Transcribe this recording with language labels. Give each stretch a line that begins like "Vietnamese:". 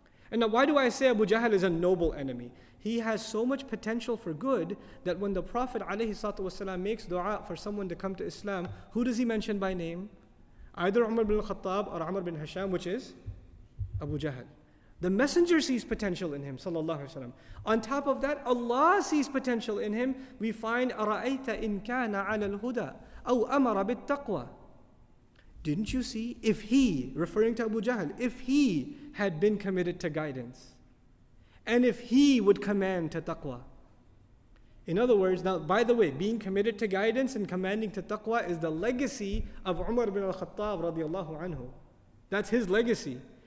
English: And now, why do I say Abu Jahl is a noble enemy? He has so much potential for good that when the Prophet ﷺ makes dua for someone to come to Islam, who does he mention by name? Either Umar bin Khattab or Amr bin Hisham, which is Abu Jahl. The Messenger sees potential in him, sallallahu alaihi wasallam. On top of that, Allah sees potential in him. We find
Arabic: أَرَأَيْتَ إِن كَانَ عَلَى الْهُدَىٰ أَوْ أَمَرَ بِالتَّقْوَىٰ.
English: Didn't you see? If he, referring to Abu Jahl, if he had been committed to guidance, and if he would command to taqwa. In other words, now, by the way, being committed to guidance and commanding to taqwa is the legacy of Umar bin al-Khattab radiallahu anhu. That's his legacy.